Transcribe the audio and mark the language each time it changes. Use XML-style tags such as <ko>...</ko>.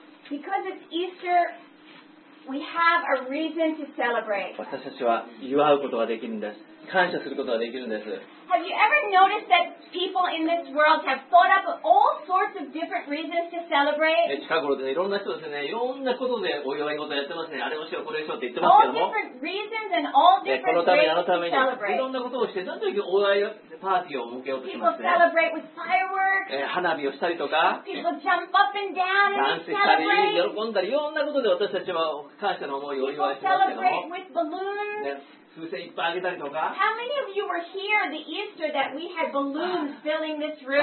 <en>Because it's Easter, we have a reason to celebrate.</en> <ja>私たちは祝うことができるんです。感謝することができるんです。</ja> <en>Have you ever noticed that people in this world have thought up all sorts of different reasons to celebrate?</en> <ja>近頃でね、いろんな人ですね、いろんなことでお祝い事やってますね。あれをしよう、これをしようって言ってますけども。</ja> <en>All different reasons and all different ways to celebrate.</en> <ja>いろんなことをして、なんというお祝いパーティーを設けようとしますね。</ja> <en>People celebrate with fireworks.</en> <ja>花火をしたりとか。</ja> <en>People jump up and down and celebrate.</en> <ja>ダンスしたり、喜んだり、いろんなことで私たちは感謝の思いをお祝いしますけども。</ja> <en>People celebrate with balloons. How many of you were here the Easter that we had balloons filling this room?</en>